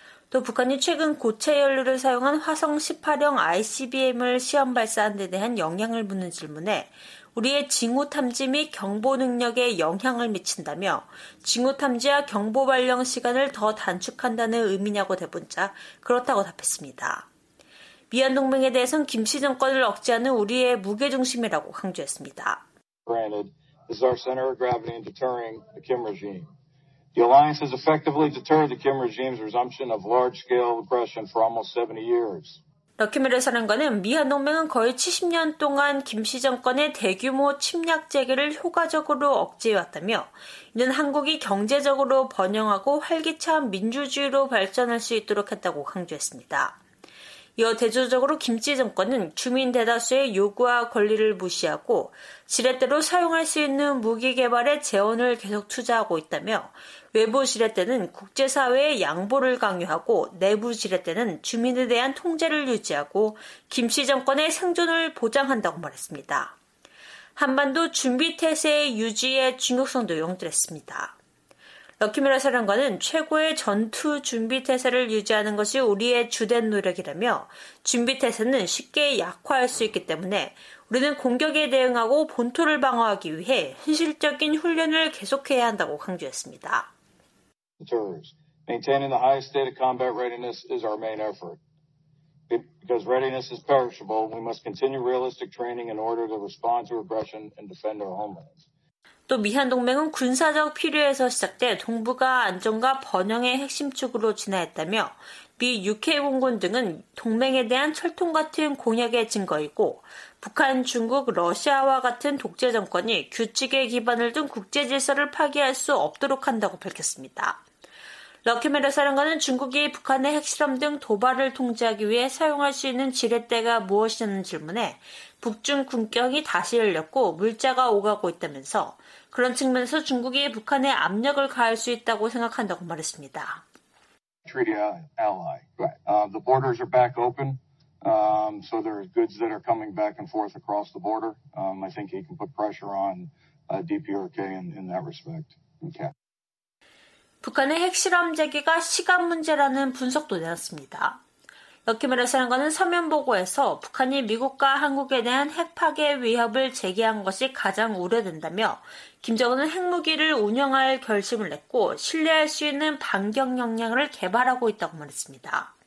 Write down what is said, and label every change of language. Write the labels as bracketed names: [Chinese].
[Korean] 또 북한이 최근 고체 연료를 사용한 화성 18형 ICBM을 시험 발사한 데 대한 영향을 묻는 질문에 우리의 징후 탐지 및 경보 능력에 영향을 미친다며 징후 탐지와 경보 발령 시간을 더 단축한다는 의미냐고 대본자 그렇다고 답했습니다. 미한동맹에 대해서는 김씨 정권을 억제하는 우리의 무게중심이라고 강조했습니다. [English] Granted, this is our center of gravity in deterring the Kim regime. The alliance has effectively deterred the Kim regime's resumption of large-scale aggression for almost 70 years. [Korean] 러키메르 사령관은 미한동맹은 거의 70년 동안 김씨 정권의 대규모 침략 재개를 효과적으로 억제해왔다며 이는 한국이 경제적으로 번영하고 활기찬 민주주의로 발전할 수 있도록 했다고 강조했습니다. 이어 대조적으로 김치 정권은 주민 대다수의 요구와 권리를 무시하고 지렛대로 사용할 수 있는 무기 개발에 재원을 계속 투자하고 있다며 외부 지렛대는 국제사회의 양보를 강요하고 내부 지렛대는 주민에 대한 통제를 유지하고 김씨 정권의 생존을 보장한다고 말했습니다. 한반도 준비태세의 유지에 중요성도 용돌했습니다. 럭키미라 사령관은 최고의 전투 준비태세를 유지하는 것이 우리의 주된 노력이라며 준비태세는 쉽게 약화할 수 있기 때문에 우리는 공격에 대응하고 본토를 방어하기 위해 현실적인 훈련을 계속해야 한다고 강조했습니다. [English] Maintaining the highest state of combat readiness is our main effort. Because readiness is perishable, we must continue realistic training in order to respond to aggression and defend our homelands. [Korean] 또 미한동맹은 군사적 필요에서 시작돼 동북아 안정과 번영의 핵심축으로 진화했다며 미 육해공군 등은 동맹에 대한 철통 같은 공약의 증거이고 북한, 중국, 러시아와 같은 독재 정권이 규칙에 기반을 둔 국제 질서를 파괴할 수 없도록 한다고 밝혔습니다. 럭키메르 사령관은 중국이 북한의 핵실험 등 도발을 통제하기 위해 사용할 수 있는 지렛대가 무엇이냐는 질문에 북중 군경이 다시 열렸고 물자가 오가고 있다면서 그런 측면에서 중국이 북한에 압력을 가할 수 있다고 생각한다고 말했습니다. [English] Treaty ally. The borders are back open. So there are goods that are coming back and forth across the border. I think he can put pressure on DPRK in that respect. Okay. [Korean] 북한의 핵실험 재개가 시간 문제라는 분석도 내놨습니다. 럭키메라 사령관은 서면 보고에서 북한이 미국과 한국에 대한 핵파괴 위협을 제기한 것이 가장 우려된다며 김정은은 핵무기를 운영할 결심을 냈고 신뢰할 수 있는 반격 역량을 개발하고 있다고 말했습니다.